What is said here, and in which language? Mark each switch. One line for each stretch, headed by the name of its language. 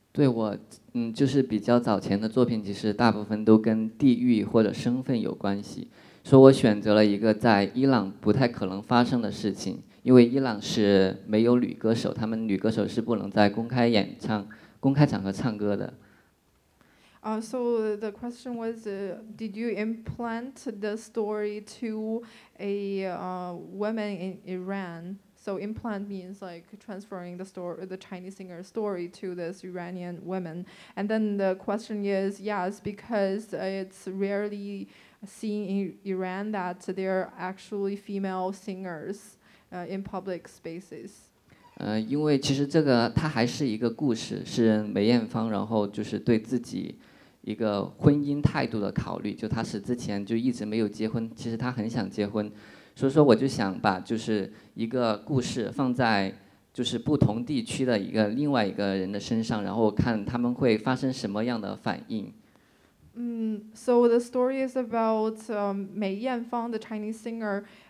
Chinese: 对我就是比较早前的作品，其实大部分都跟地域或者身份有关系，所以我选择了一个在伊朗不太可能发生的事情，因为伊朗是没有女歌手，他们女歌手是不能在公开场合唱歌的。
English: So the question was, did you implant the story to a woman in Iran? So implant means like transferring the Chinese singer's story to this Iranian woman. And then the question is, yes, because it's rarely seen in Iran that there are actually female singers in public spaces.
Chinese: 因为其实这个它还是一个故事，是梅艳芳，然后就是对自己一个婚姻态度的考虑，就他是之前就一直没有结婚，其实他很想结婚，所以说我就想把就是一个故事放在就是不同地区的一个另外一个人的身上，然后看他们会发生什么样的反应。
English: So the story is about Mei Yanfeng, the Chinese singer.